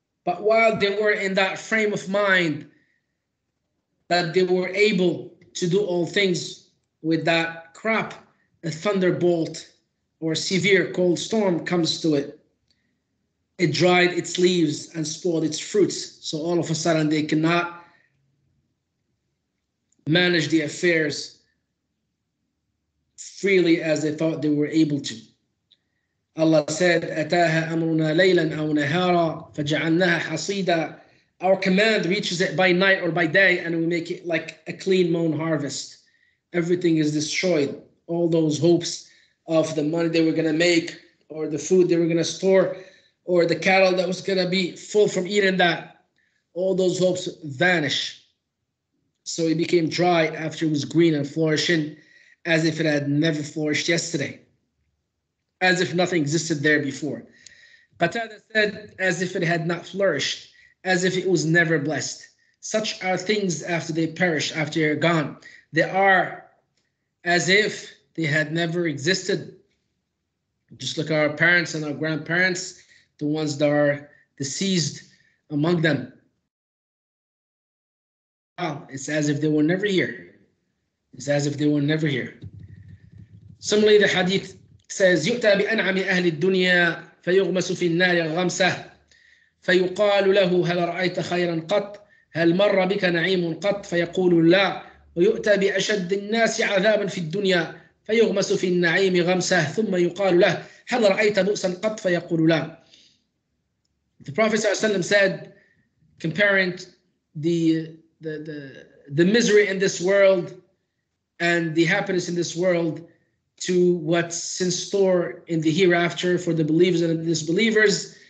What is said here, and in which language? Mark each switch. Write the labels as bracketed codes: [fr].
[en] But while they were in that frame of mind, that they were able to do all things with that crop, a thunderbolt or severe cold storm comes to it. It dried its leaves and spoiled its fruits. So all of a sudden they cannot manage the affairs freely as they thought they were able to. Allah said, [ar] أَتَاهَا أَمْرُنَا لَيْلًا أَوْ نَهَارًا فَجَعَلْنَاهَا حَصِيدًا. [en] Our command reaches it by night or by day, and we make it like a clean mown harvest. Everything is destroyed. All those hopes of the money they were going to make, or the food they were going to store, or the cattle that was going to be full from eating that, all those hopes vanish. So it became dry after it was green and flourishing, as if it had never flourished yesterday, as if nothing existed there before. Qatada said, as if it had not flourished, as if it was never blessed. Such are things after they perish, after they are gone. They are as if they had never existed. Just look at our parents and our grandparents, the ones that are deceased among them. Wow, it's as if they were never here. It's as if they were never here. Similarly, the hadith says, [ar] يُؤْتَى بِأَنْعَمِ أَهْلِ الدُّنْيَا فَيُغْمَسُ فِي النَّارِ الْغَمْسَةِ فَيُقَالُ لَهُ هَلَ رَأَيْتَ خَيْرًا قَطْ هَلْ مَرَّ بِكَ نَعِيمٌ قَطْ فَيَقُولُ لَا وَيُؤْتَى بِأَشَدِّ النَّاسِ عَذَابًا فِي الدُّنْيَا فَيُغْمَسُ فِي النَّعِيمِ غَمْسَةِ ثُمَّ يُقَالُ لَهُ هَلَ رَأَيْتَ بُؤْسًا قَطْ فَيَقُولُ لَا. [en] The Prophet ﷺ said, comparing the misery in this world and the happiness in this world to what's in store in the hereafter for the believers and the disbelievers.